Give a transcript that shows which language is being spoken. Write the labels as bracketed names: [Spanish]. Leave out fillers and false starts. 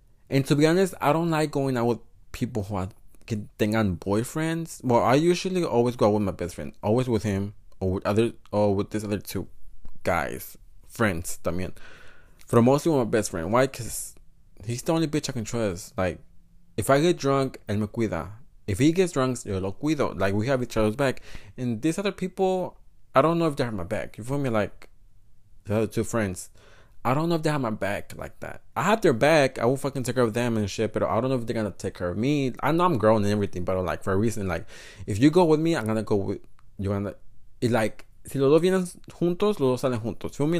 [English] And to be honest, I don't like going out with people who have tengan boyfriends. Well, I usually always go out with my best friend. Always with him. Or with these other two guys. Friends, también. But mostly with my best friend. Why? Because he's the only bitch I can trust. Like, if I get drunk, [Spanish] él me cuida. [English] If he gets drunk, [Spanish] yo lo cuido. [English] Like, we have each other's back. And these other people, I don't know if they have my back. You feel me? Like, the other two friends, I don't know if they have my back like that. I have their back. I will fucking take care of them and shit. But I don't know if they're gonna take care of me. I know I'm grown and everything, but like, for a reason. Like, if you go with me, I'm gonna go with you. And like, [Spanish] si los dos vienen juntos, los dos salen juntos. [English] Feel me?